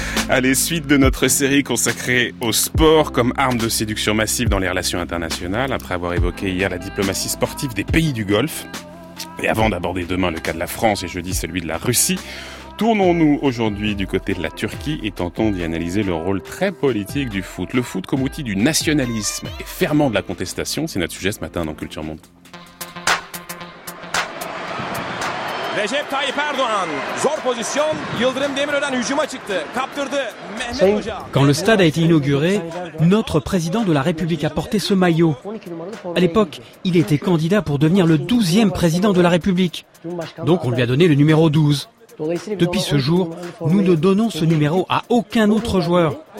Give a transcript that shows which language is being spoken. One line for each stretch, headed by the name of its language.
French: Allez, suite de notre série consacrée au sport comme arme de séduction massive dans les relations internationales, après avoir évoqué hier la diplomatie sportive des pays du Golfe, et avant d'aborder demain le cas de la France et jeudi celui de la Russie, tournons-nous aujourd'hui du côté de la Turquie et tentons d'y analyser le rôle très politique du foot. Le foot comme outil du nationalisme et ferment de la contestation, c'est notre sujet ce matin dans Culture Monde.
Turkish: Recep Tayyip Erdoğan, zor position, Yıldırım Demirören hücuma çıktı, kaptırdı Mehmet Hoca.
French: Quand le stade a été inauguré, notre président de la République a porté ce maillot. À l'époque, il était candidat pour devenir le 12e président de la République. Donc on lui a donné le numéro 12. Depuis ce jour, nous ne donnons ce numéro à aucun autre joueur.